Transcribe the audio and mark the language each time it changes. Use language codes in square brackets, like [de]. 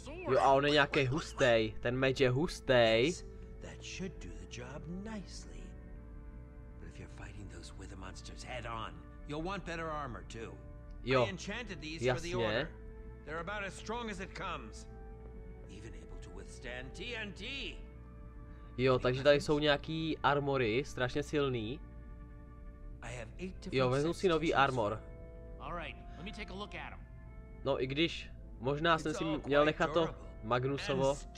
[cs] Jo, a on je nějaký hustej, ten meč je hustej. [en] That should do the job nicely. But if you're fighting those wither monsters head on, you'll want better armor too. [cs] Jo, [en] I enchanted these [cs] jasně. [en] For the order. They're about as strong as it comes. Even able to withstand TNT. [cs] Jo, takže tady jsou nějaký armory, strašně silný. [en] I have eight. [cs] Jo, vezmu si nový armor. [en] All right, let me take a look at him. [cs] No i když možná jsem si měl nechat to Magnusovo.